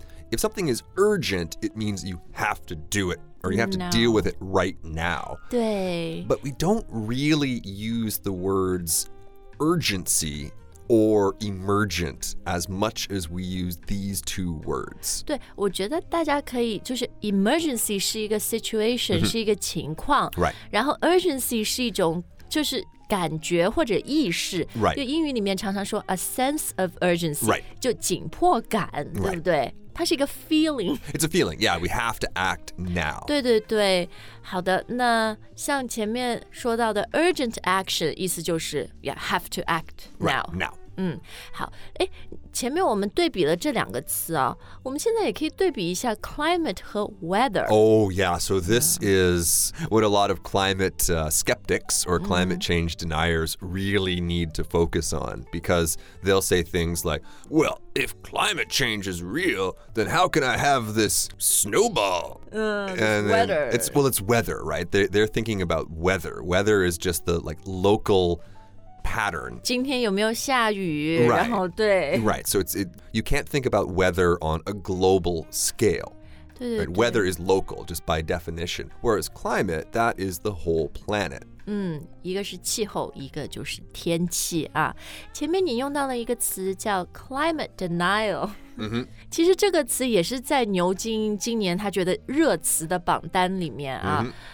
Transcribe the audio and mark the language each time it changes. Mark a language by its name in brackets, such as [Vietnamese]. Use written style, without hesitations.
[English] If something is urgent, it means you have to do it, or you have to deal with it right now. [Chinese] 对。 [English] But we don't really use the words urgency or emergent as much as we use these two words. [Chinese] 对，我觉得大家可以，就是 emergency 是一个 situation, 是一个情况。 [English] Right. [Chinese] 然后 urgency 是一种就是感觉或者意识、 [English] right. [Chinese] 就英语里面常常说 [English] a sense of urgency、 right. [Chinese] 就紧迫感、 [English] right. [Chinese] 对不对它是一个 feeling [English] It's a feeling, yeah, we have to act now [Chinese] 对对对好的那像前面说到的 urgent action 意思就是 [English] yeah, have to act now right, now、 [Chinese] 好诶前面我们对比了这两个词啊、我们现在也可以对比一下 climate 和 weather. [English] Oh yeah, so this is what a lot of climate skeptics or climate change deniers really need to focus on because they'll say things like, well, if climate change is real, then how can I have this snowball? Weather. It's weather, right? They're thinking about weather. Weather is just the like, local... pattern. [Chinese] 今天有没有下雨 [English] right. [Chinese] 然后对 [English] right. So you can't think about weather on a global scale. [Chinese] 对对对 [English] right? Weather is local just by definition. Whereas climate, that is the whole planet. [Chinese] 一个是气候一个就是天气啊。前面你用到了一个词叫 climate denial. 其实这个词也是在牛津今年他觉得热词的榜单里面啊。